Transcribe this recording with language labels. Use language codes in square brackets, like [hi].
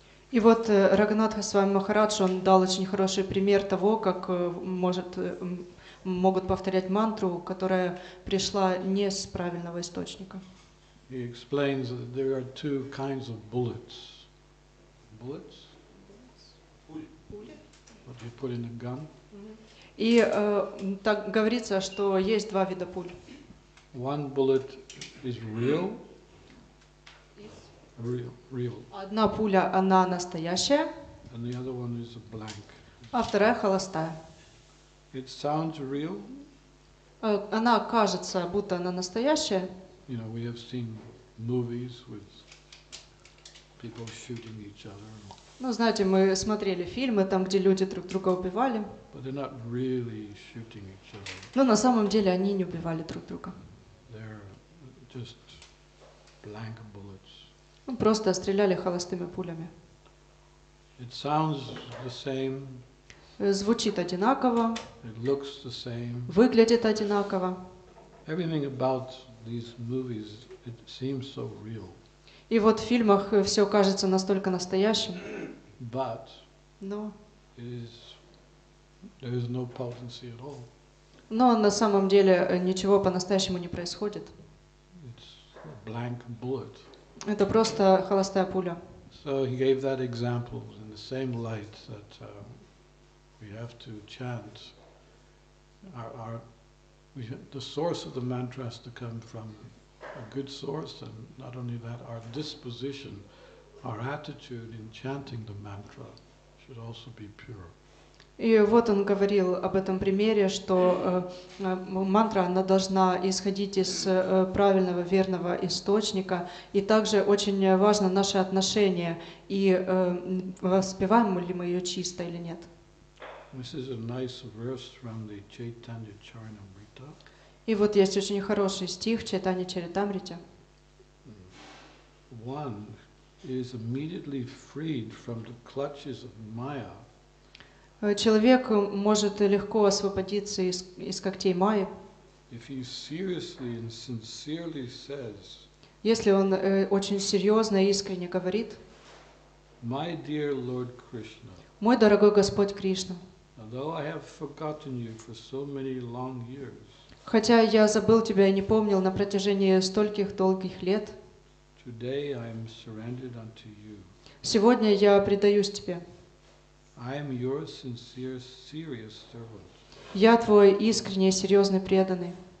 [ru] И вот Рагнатха Свами Махарадж, он дал очень хороший пример того, как могут повторять мантру, которая пришла не с правильного источника. [en] He explains that there are two kinds of bullets. Bullets? [ru] Пули. [en] What do you put in a gun? [ru] И так говорится, что есть два вида пуль. [en] One bullet is real. Real. [ru] Одна пуля, она настоящая. [en] And the other one is a blank. [ru] А вторая холостая. [en] It sounds real. [ru] Она кажется, будто она настоящая. [en] You know, we have seen movies with people shooting each other. [ru] Ну, знаете, мы смотрели фильмы там, где люди друг друга убивали. [en] But they're not really shooting each other. [ru] Но на самом деле они не убивали друг друга. [en] They're just blank bullets. [ru] Ну, просто стреляли холостыми пулями. [en] It sounds the same. [ru] Звучит одинаково. [en] It looks the same. [ru] Выглядит одинаково. [en] Everything about these movies, it seems so real. [ru] И вот в фильмах все кажется настолько настоящим. [en] But no. There is no potency at all. [ru] Но на самом деле ничего по-настоящему не происходит. [en] It's a blank bullet. [ru] Это просто холостая пуля. [en] So he gave that example in the same light that we have to chant the source of the mantra has to come from a good source, and not only that, our disposition, our attitude in chanting the mantra should also be pure. [ru] И вот он говорил об этом примере, что мантра, она должна исходить из правильного, верного источника, и также очень важно наше отношение, и воспеваем ли мы ее чисто или нет. [en] This is a nice verse from the Chaitanya Charitamrita. [ru] И вот есть очень хороший стих Чайтанья Чаритамрите. [en] One is immediately freed from the clutches of Maya. [ru] Человек может легко освободиться из когтей Майи. [en] If he seriously and sincerely says, [ru] если он очень серьезно и искренне говорит, [en] My dear Lord Krishna, [ru] мой дорогой Господь Кришна, [en] although I have forgotten you for so many long years, [ru] хотя я забыл тебя и не помнил на протяжении стольких долгих лет, [en] today I am surrendered unto you. [ru] Сегодня я предаюсь тебе. [en] I am your sincere, serious servant. [ru] Я твой искренний, серьезный преданный.